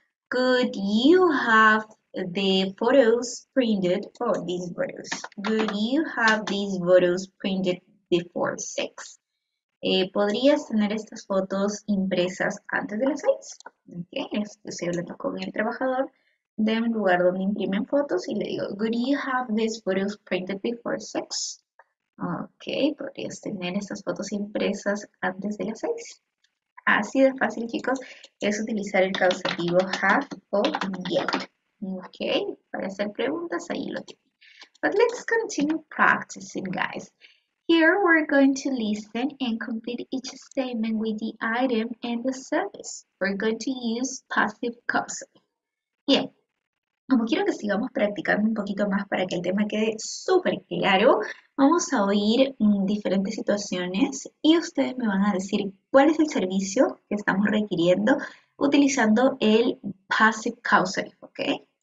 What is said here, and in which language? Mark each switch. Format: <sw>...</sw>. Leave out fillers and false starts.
<en>Could you have the photos printed for these photos? Would you have these photos printed before 6?</en> <es>¿Podrías tener estas fotos impresas antes de las 6? Okay, esto se lo tocó con el trabajador. De un lugar donde imprimen fotos y le digo,</es> <en>would you have these photos printed before 6?</en> <es>Ok, ¿podrías tener estas fotos impresas antes de las 6? Así de fácil, chicos, es utilizar el causativo have o get. Ok, para hacer preguntas, ahí lo tienen.</es> <en>But let's continue practicing, guys. Here we're going to listen and complete each statement with the item and the service. We're going to use passive causative. Yeah.</en> <es>Como quiero que sigamos practicando un poquito más para que el tema quede súper claro, vamos a oír diferentes situaciones y ustedes me van a decir cuál es el servicio que estamos requiriendo utilizando el passive causative, ¿ok?</es>